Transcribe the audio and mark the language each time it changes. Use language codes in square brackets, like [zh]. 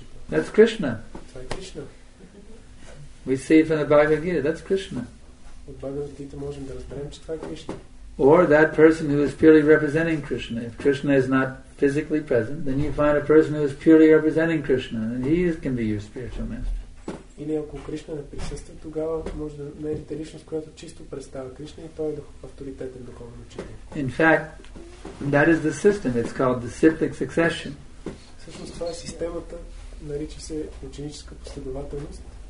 [en] That's Krishna. We see from the Bhagavad Gita, that's Krishna. [bg] От Bhagavad Gita можем да разберем, че това е Krishna. [en] Or that person who is purely representing Krishna. If Krishna is not physically present, then you find a person who is purely representing Krishna, and he can be your spiritual master. [bg] Или ако Кришна не присъства, тогава може да намерите личност, която чисто представя Кришна и той е авторитетен духовен учител. [en] In fact, that is the system. It's called the cyclic succession. [bg] Всъщност това е системата, нарича се ученическа последователност.